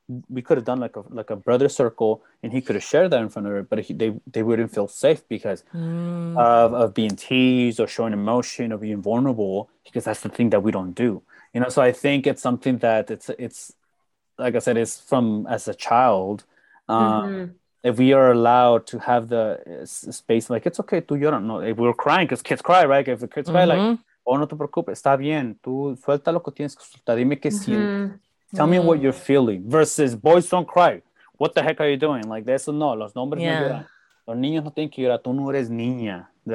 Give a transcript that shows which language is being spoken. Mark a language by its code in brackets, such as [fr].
[en] We could have done like a brother circle, and he could have shared that in front of her, but they wouldn't feel safe because of being teased or showing emotion or being vulnerable, because that's the thing that we don't do, you know? So I think it's something that it's like I said, it's from as a child. If we are allowed to have the space, like, it's okay, [es] tú lloras, no, [en] if we're crying, because kids cry, right? If the kids cry, like, oh, [es] no te preocupes, está bien, tú suelta lo que tienes que soltar, dime que sí. [en] Tell me what you're feeling, versus boys don't cry. What the heck are you doing? Like, that's no, [es] los nombres no lloran. Los niños no tienen que llorar, tú no eres niña.